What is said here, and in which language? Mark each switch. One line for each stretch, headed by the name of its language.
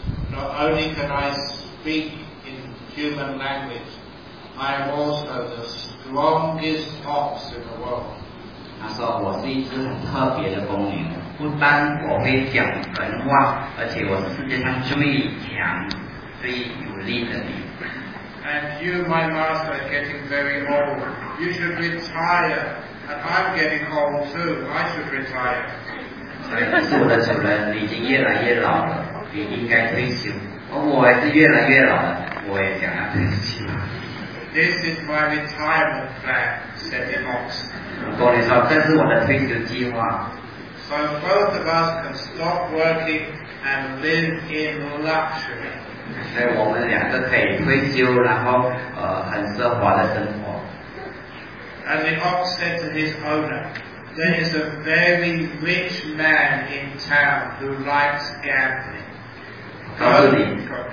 English: Not only can I speak in human language, I am also the strongest ox in the world.
Chinese: 他说我是一只很特别的公牛。不但我会讲人话，而且我是世界上最强、最有力的你。
English: And you, my master, are getting very old. You should retire. And I'm getting old too. I should retire.
Chinese: 所以你是我的主人，你已经越来越老了，你应该退休。而我也是越来越老了，我也想要退休。
English: This is my retirement plan, said the ox.
Chinese: 所以说这是我的退休计划。
English: So both of us can stop working and live in luxury.
Chinese: 所以我们两个可以退休，然后很奢华的生活。
English: And the ox said to his owner, "There is a very rich man in town who likes gambling."